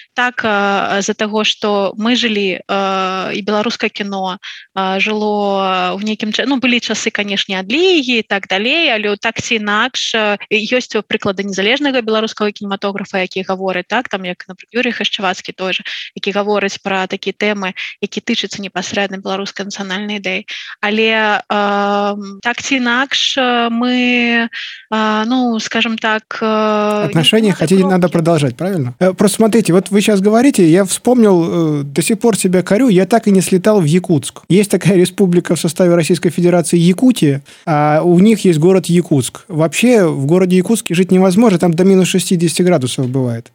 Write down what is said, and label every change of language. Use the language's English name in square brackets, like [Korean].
[Belarusian] Так, за таго, што мы жылі, і беларускае кіно жыло ў нейкім... Ну, былі часы, канешне, адлігі і так далей, але так ці інакш ёсць прыклады незалежнага беларускага кінематографа, які гаворыць, так, там, як, напрыклад, Юрій Хашчавацкі той же, які гаворыць пра такі тэмы, які тычыцца непасрэдна беларускай нацыянальнай ідэі. Але так ці інакш мы, ну, скажем так... [Russian] Отношения хотели надо продолжать, правильно? Просто смотрите, вот вы сейчас говорите, я вспомнил, до сих пор себя корю, я так и не слетал в Якутск. Есть такая республика в составе Российской Федерации Якутия, а у них есть город Якутск. Вообще в городе Якутске жить невозможно, там до минус 60 градусов бывает.